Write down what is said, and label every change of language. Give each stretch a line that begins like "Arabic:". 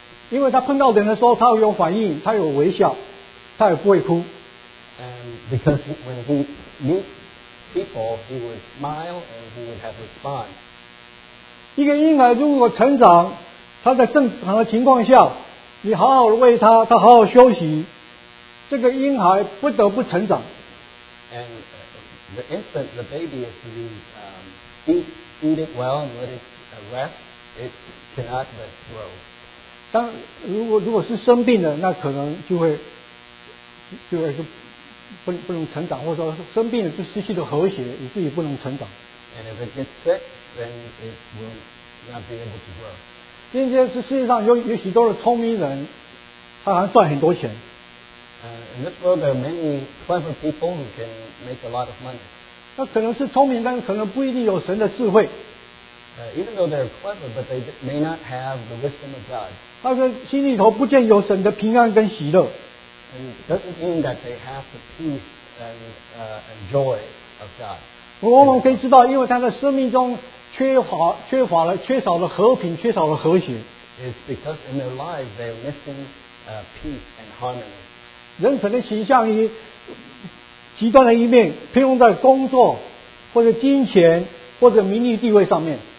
Chinese: 因为他碰到人的时候，他有反应，他有微笑，他也不会哭。
English: And because when he meets people, he would smile and he would have response.
Chinese: 一个婴孩如果成长，他在正常的情况下，你好好的喂他，他好好休息。这个婴孩不得不成长。
English: And the infant, the baby, if you eat it well and let it rest, it cannot but grow.
Chinese: 当如果是生病的，那可能就会就不能成长，或者说生病了就失去了和谐，以至于不能成长。
English: And if it gets sick, then it will not be able to grow.
Chinese: 今天这世界上有许多的聪明人，他好像赚很多钱。
English: In this world, there are many clever people who can make a lot of money.
Chinese: 那可能是聪明，但是可能不一定有神的智慧。
English: Even though they're clever, but they may not have the wisdom of God.
Chinese: 他说心里头不见有神的平安跟喜乐。
English: And it doesn't mean that they have the peace and joy of God.
Chinese: 我们可以知道，因为他的生命中缺乏了缺少了和平，缺少了和谐。
English: It's because in their lives they are missing peace and harmony.
Chinese: 人可能倾向于极端的一面，偏用在工作或者金钱或者名利地位上面。